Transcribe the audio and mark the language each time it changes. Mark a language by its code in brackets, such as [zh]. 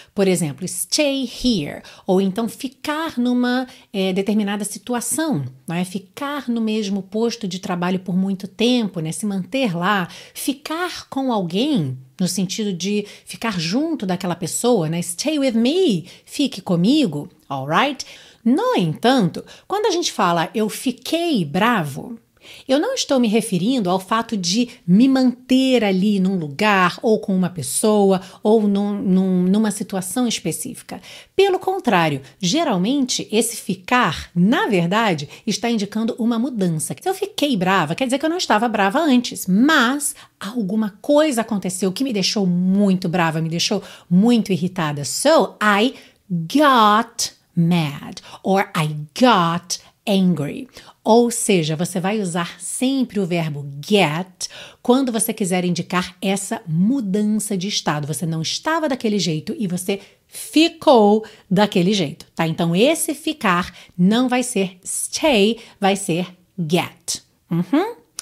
[pt] Por exemplo, stay here, ou então ficar numa determinada situação, né? Ficar no mesmo posto de trabalho por muito tempo, né? Se manter lá, ficar com alguém, no sentido de ficar junto daquela pessoa, né? [en] Stay with me, [pt] fique comigo, [en] all right? [pt] No entanto, quando a gente fala eu fiquei bravo, eu não estou me referindo ao fato de me manter ali num lugar ou com uma pessoa ou numa situação específica. Pelo contrário, geralmente esse ficar, na verdade, está indicando uma mudança. Se eu fiquei brava, quer dizer que eu não estava brava antes, mas alguma coisa aconteceu que me deixou muito brava, me deixou muito irritada. [en] So I got mad, or I got angry. [pt] Ou seja, você vai usar sempre o verbo get quando você quiser indicar essa mudança de estado. Você não estava daquele jeito e você ficou daquele jeito, tá? Então, esse ficar não vai ser stay, vai ser get. Uhum.